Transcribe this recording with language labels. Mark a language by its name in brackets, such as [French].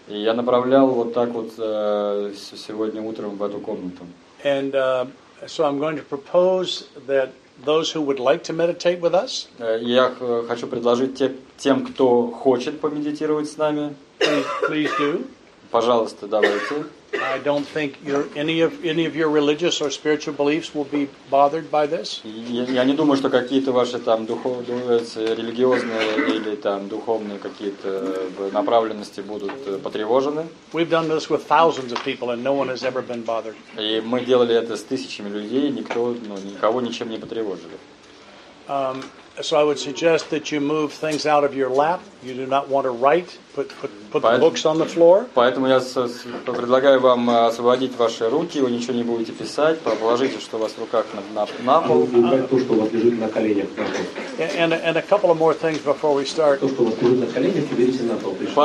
[Russian] И я направлял вот так вот сегодня утром в эту комнату. [English] And so I'm going to propose that those who would like to meditate with us. [Russian] Я хочу предложить тем, кто хочет помедитировать с нами. [English] Please do. [Russian] Пожалуйста, давайте. [English] I don't think any of your religious or spiritual beliefs will be bothered by this. [Russian] Я не думаю, что какие-то ваши там религиозные или там духовные какие-то направленности будут потревожены. [English] We've done this with thousands of people, and no one has ever been bothered. [Russian] И мы делали это с тысячами людей, никто, ну, никого ничем не потревожили. [English] So I would suggest that you move things out of your lap. You do not want to write. Put the books on the floor. [Russian] Поэтому я предлагаю вам освободить ваши руки. Вы ничего не будете писать. Положите, что у вас в руках, на пол. А убрать то, что у вас лежит на коленях. [English] And a couple of more things before we start. [Russian] То, что у вас лежит на коленях, уберите на пол.